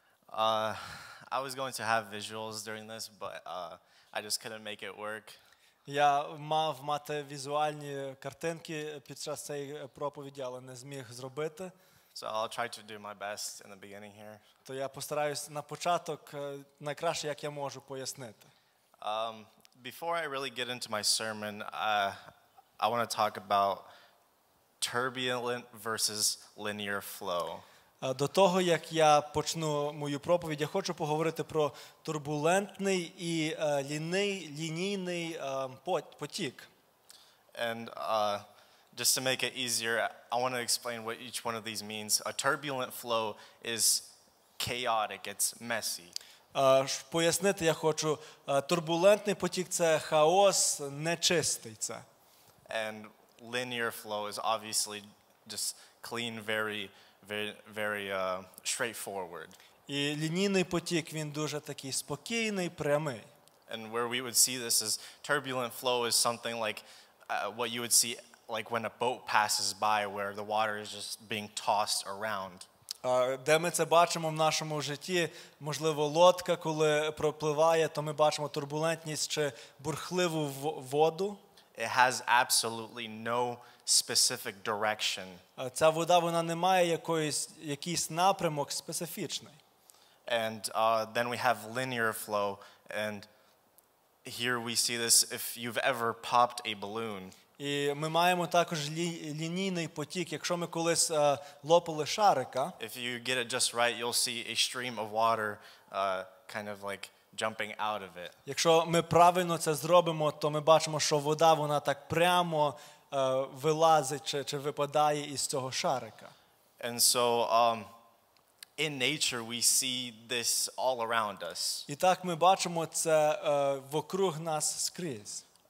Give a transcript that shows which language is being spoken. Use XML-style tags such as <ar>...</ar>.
<en>I was going to have visuals during this, but I just couldn't make it work.</en> <uk>Я мав мати візуальні картинки під час цієї проповіді, але не зміг зробити.</uk> <en>So I'll try to do my best in the beginning here.</en> <uk>То я постараюсь на початок найкраще, як я можу, пояснити.</uk> <en>Before I really get into my sermon, I want to talk about turbulent versus linear flow.</en> <uk>До того, як я почну мою проповідь, я хочу поговорити про турбулентний і лінійний потік.</uk> <en>And just to make it easier, I want to explain what each one of these means. A turbulent flow is chaotic, it's messy.</en> <uk>Пояснити я хочу, турбулентний потік це хаос, нечистий це.</uk> <en>And linear flow is obviously just clean, very straightforward.</en> <uk>І лінійний потік, він дуже такий спокійний, прямий.</uk> <en>And where we would see this is turbulent flow is something like what you would see like when a boat passes by where the water is just being tossed around.</en> <uk>Де ми це бачимо в нашому житті, можливо, лодка, коли пропливає, то ми бачимо турбулентність чи бурхливу воду.</uk> <en>It has absolutely no specific direction.</en> <uk>Ця вода, вона не має якийсь напрямок специфічний.</uk> <en>And then we have linear flow, and here we see this if you've ever popped a balloon.</en> <uk>І ми маємо також лінійний потік, якщо ми колись лопали шарика.</uk> <en>If you get it just right, you'll see a stream of water kind of like jumping out of it.</en> <uk>Якщо ми правильно це зробимо, то ми бачимо, що вода, вона так прямо вилазить чи випадає із цього шарика.</uk> <en>And so in nature we see this all around us.</en> <uk>І так ми бачимо це вокруг нас скрізь.</uk>